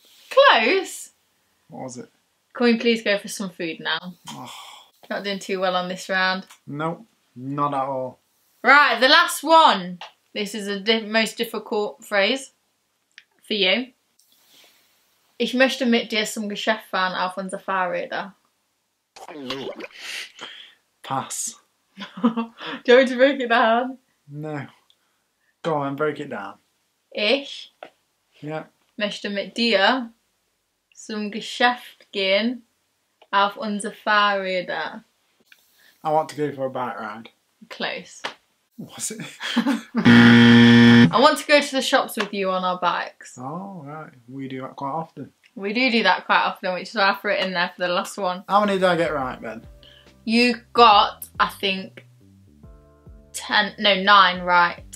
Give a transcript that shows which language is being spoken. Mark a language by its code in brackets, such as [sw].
[en] Close. What was it? Can we please go for some food now? Oh. Not doing too well on this round. Nope, not at all. Right, the last one. This is the most difficult phrase for you. [de] Ich möchte mit dir zum Geschäft fahren auf unser Fahrräder. [en] Pass. Do you want me to break it down? No. Go on, break it down. [de] Ich möchte mit dir zum Geschäft gehen auf unser Fahrräder. [en] I want to go for a bike ride. Close. Was it? I want to go to the shops with you on our bikes. Oh, right. We do that quite often. We do that quite often, which is why I put it in there for the last one. How many did I get right then? You got, I think, 9 right.